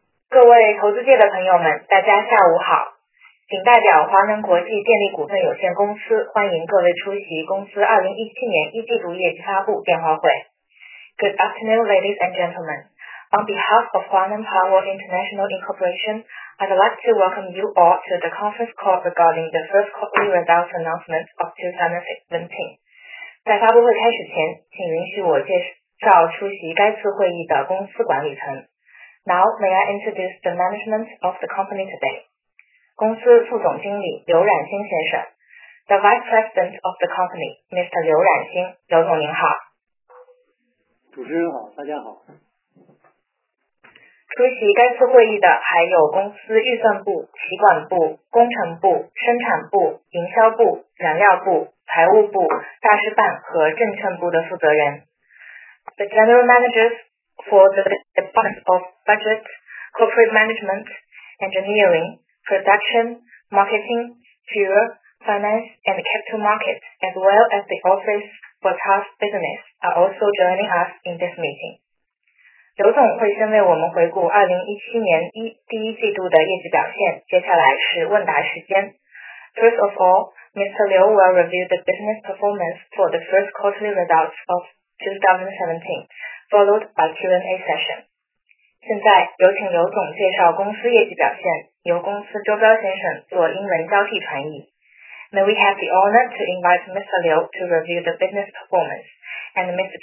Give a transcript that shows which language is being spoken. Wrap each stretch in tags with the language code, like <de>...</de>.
<zh>各位投资界的朋友们，大家下午好。请代表华能国际电力股份有限公司欢迎各位出席公司2017年一季度业绩发布电话会。</zh> <en>Good afternoon, ladies and gentlemen. On behalf of Huaneng Power International Incorporation, I'd like to welcome you all to the conference call regarding the first quarterly results announcement of 2017.</en> <zh>在发布会开始前，请允许我介绍出席该次会议的公司管理层。</zh> <en>Now, may I introduce the management of the company today?</en> <zh>公司副总经理刘冉星先生。</zh> <en>The Vice President of the company, Mr. 刘冉星。刘总您好。</en> <zh>主持人好，大家好。出席该次会议的还有公司预算部、企管部、工程部、生产部、营销部、燃料部、财务部、大事办和政策部的负责人。</zh> <en>The General Managers for the Department of Budget, Corporate Management, Engineering, Production, Marketing, Fuel, Finance, and Capital Markets, as well as the Office for Task Business, are also joining us in this meeting.</en> <zh>刘总会先为我们回顾2017年第一季度的业绩表现，接下来是问答时间。</zh> <en>First of all, Mr. Liu will review the business performance for the first quarterly results of 2017. Followed by Q&A session.</en> <zh>现在有请刘总介绍公司业绩表现，由公司周彪先生做英文交替传译。</zh> <en>May we have the honor to invite Mr. Liu to review the business performance, and Mr.</en>